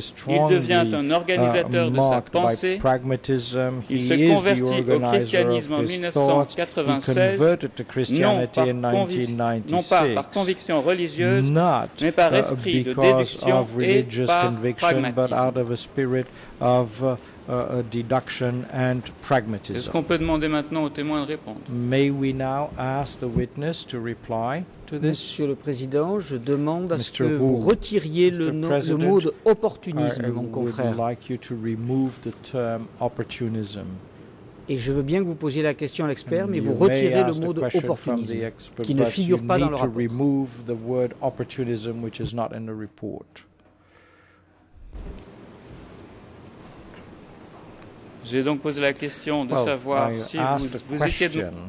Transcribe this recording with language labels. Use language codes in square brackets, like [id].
[fr] Il devient un organisateur de sa pensée. Il se convertit au christianisme en 1996, non pas par conviction religieuse, mais par esprit de déduction et par pragmatisme. [en] Deduction and pragmatism. [fr] Est-ce qu'on peut demander maintenant au témoin de répondre? [en] May we now ask the witness to reply to this? [fr] Monsieur le Président, je demande à ce que vous retiriez le mot d'opportunisme, mon confrère. [en] I would like you to remove the term opportunism. [fr] Et je veux bien que vous posiez la question à l'expert, mais vous retirez le mot d'opportunisme qui ne figure pas dans le rapport. [en] To remove the word opportunism, which is not in the report. [fr] J'ai donc posé la question de savoir si vous étiez de...